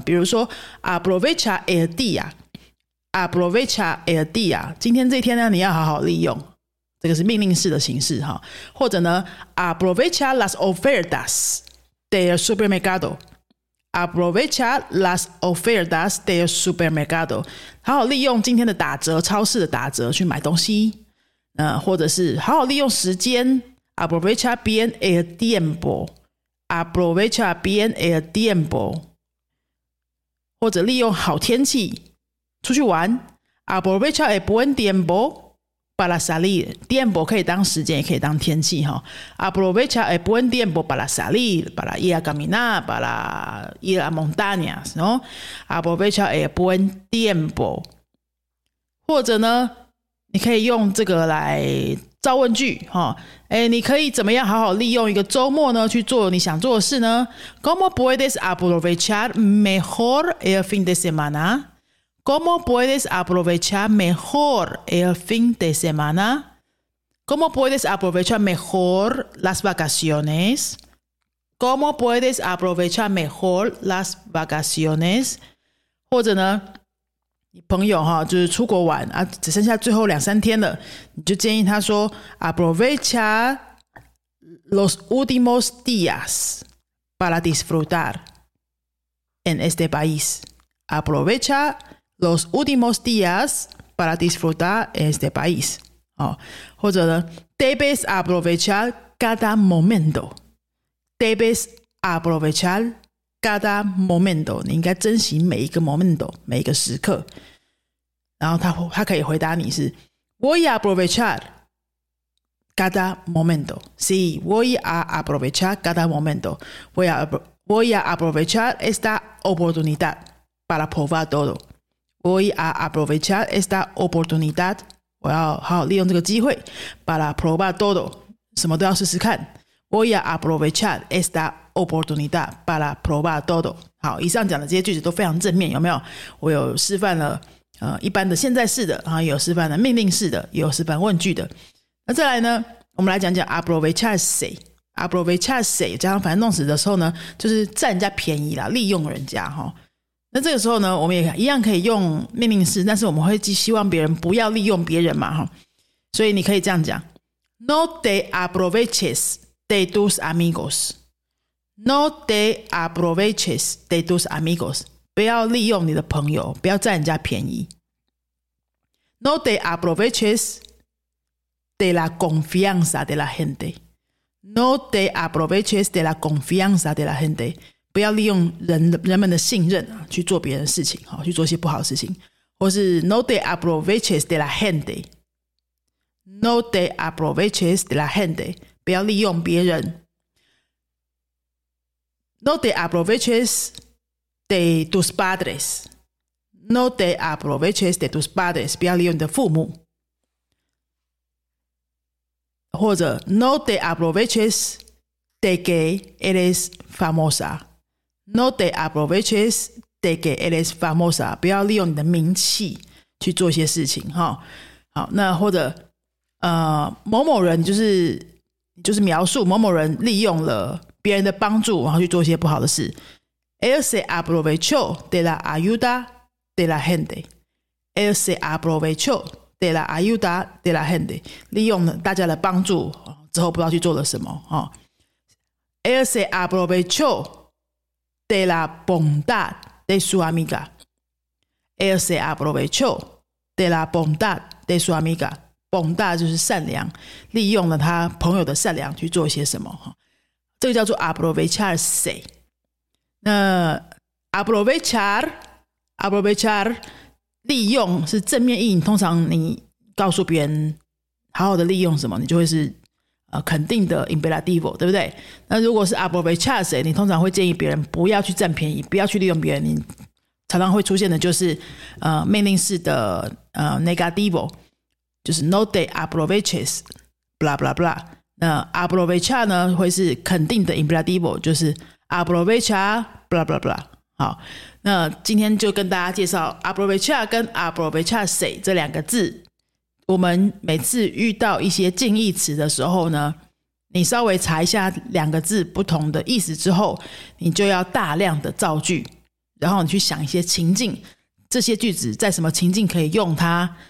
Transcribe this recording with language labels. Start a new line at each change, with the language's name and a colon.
Chinese: 比如说
Spanish: aprovechar el día， aprovechar el día，
Chinese: 今天这天呢你要好好利用，这个是命令式的形式。或者呢
Spanish: aprovechar las ofertas del supermercado，
Chinese: aprovechar las ofertas del supermercado， 好好利用今天的打折，超市的打折去买东西。或者是好好利用时间，
Spanish: Aprovecha bien el tiempo, aprovecha bien el tiempo.
Chinese: 或者利用好天气出去玩，
Spanish: aprovecha el buen tiempo para salir. Tiempo
Chinese: 可以当时间也可以当天气，
Spanish: aprovecha el buen tiempo para salir, para ir a caminar, para ir a montañas, ¿no? Aprovecha el buen tiempo.
Chinese: 或者呢你可以用这个来造问句，你可以怎么样好好利用一个周末呢去做你想做的事呢？
Spanish: ¿Cómo puedes aprovechar mejor el fin de semana? ¿Cómo puedes aprovechar mejor el fin de semana? ¿Cómo puedes aprovechar mejor las vacaciones? ¿Cómo puedes aprovechar mejor las vacaciones?
Chinese: 或者呢朋友就是出国玩啊，只剩下最后两三天了，你就建议他说
Spanish: aprovecha los últimos días para disfrutar en este país. Aprovecha los últimos días para disfrutar en este país.
Chinese: 或者呢
Spanish: debes aprovechar cada momento. Debes aprovechar cada momento.
Chinese: 你应该珍惜每一个 momento, 每一个时刻。然后 他可以回答你是
Spanish: Voy a aprovechar cada momento. Sí, voy a aprovechar cada momento. Voy a aprovechar esta oportunidad para probar todo. Voy a aprovechar esta oportunidad.
Chinese: 我要好好利用这个机会
Spanish: para probar todo.
Chinese: 什么都要试试看。
Spanish: Voy a aprovechar esta oportunidad para probar todo.
Chinese: 好，以上讲的这些句子都非常正面，有没有？我有示范了一般的现在式的，也有示范的命令式的，也有示范问句的。那再来呢，我们来讲讲 aprovecharse。aprovecharse 加上反动词的时候呢，就是占人家便宜啦，利用人家。那这个时候呢，我们也一样可以用命令式，但是我们会希望别人不要利用别人嘛，所以你可以这样讲
Spanish: No te aproveches de tus amigos. No te aproveches de tus amigos.
Chinese: 不要利用你的朋友，不要占人家便宜。
Spanish: No te aproveches de la confianza de la gente. No te aproveches de la confianza de la gente.
Chinese: 不要利用 人们的信任去做别人的事情，去做一些不好的事情。或是
Spanish: No te aproveches de la gente. No te aproveches de la gente.
Chinese: 不要利用别人。
Spanish: No te aprovechesde tus padres. No te aproveches de tus padres.
Chinese: 不要利用你的父母。或者
Spanish: No te aproveches de que eres famosa. No te aproveches de que eres famosa.
Chinese: 不要利用你的名气去做一些事情。好，那或者某某人就是描述某某人利用了别人的帮助然后去做一些不好的事。
Spanish: Él se aprovechó de la ayuda de la gente. Él se aprovechó de la ayuda de la gente.
Chinese: 利用大家的帮助之后不知道去做了什么。
Spanish: Él se aprovechó de la bondad de su amiga. Él se aprovechó de la bondad de su amiga.
Chinese: 蒙大就是善良，利用了他朋友的善良去做些什么，这个叫做 Aprovecharse。那 Aprovechar 利用是正面意义，通常你告诉别人好好的利用什么，你就会是肯定的 imperativo， 对不对？那如果是 aprovecharse， 你通常会建议别人不要去占便宜，不要去利用别人，你常常会出现的就是命令式的negativo， 就是
Spanish: no de aproveches blah blah blah。
Chinese: 那 aprovechar 呢会是肯定的 imperativo， 就是
Spanish: aprovechar blah blah blah。
Chinese: 好，那今天就跟大家介绍 aprovechar 跟 aprovecharse 这两个字。我们每次遇到一些近义词的时候呢，你稍微查一下两个字不同的意思之后，你就要大量的造句，然后你去想一些情境，这些句子在什么情境可以用它。